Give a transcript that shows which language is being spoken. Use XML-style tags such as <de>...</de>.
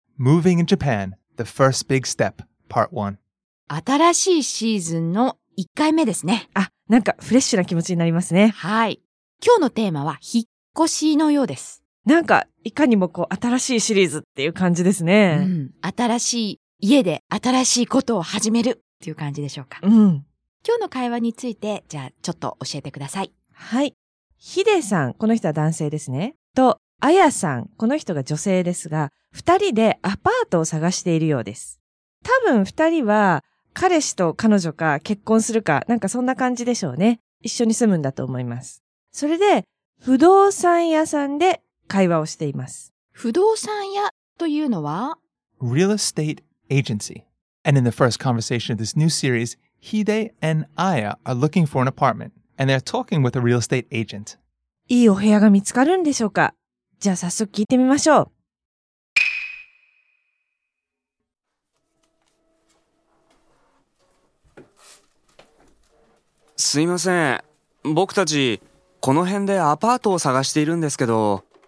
<en>Moving in Japan, the first big step, part one.</en> <ja>新しいシーズンの1回目ですね。あ、なんかフレッシュな気持ちになりますね。はい。今日のテーマは引っ越しのようです。なんか、いかにもこう、新しいシリーズっていう感じですね。うん。新しい家で新しいことを始めるっていう感じでしょうか。うん。今日の会話について、じゃあちょっと教えてください。はい。ヒデさん、この人は男性ですね。と、アヤさん、この人が女性ですが、二人でアパートを探しているようです。多分二人は、彼氏と彼女か結婚するか、なんかそんな感じでしょうね。一緒に住むんだと思います。それで、不動産屋さんで会話をしています。不動産屋というのは</ja> <en>Real Estate Agency. And in the first conversation of this new series, Hide and Aya are looking for an apartment. And they're talking with a real estate agent.</en> <ja>いいお部屋が見つかるんでしょうか。じゃあ早速聞いてみましょう。すいません。僕たちこの辺でアパートを探しているんですけど。</ja>